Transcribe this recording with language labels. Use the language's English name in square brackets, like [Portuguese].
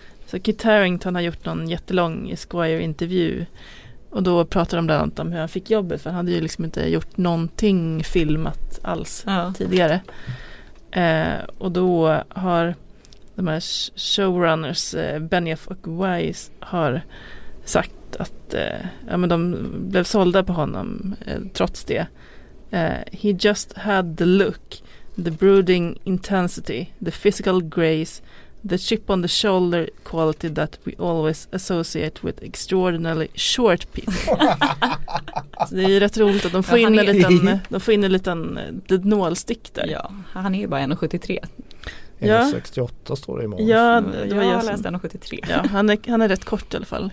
[Swedish] Så Kit Harington har gjort någon jättelång Esquire-intervju och då pratar de bland annat om hur han fick jobbet, för han hade ju liksom inte gjort någonting filmat alls tidigare. Och då har de här showrunners Benioff och Weiss har sagt att ja, men de blev sålda på honom trots det. [English] He just had the look, the brooding intensity, the physical grace, the chip on the shoulder quality that we always associate with extraordinarily short people. [Swedish] Så det är rätt roligt att de får in en liten, nålstick där. Ja, han är ju bara 1,73. 1,68 ja. Står det i manus. Ja, det var jag läste 1,73. Ja, han är rätt kort i alla fall.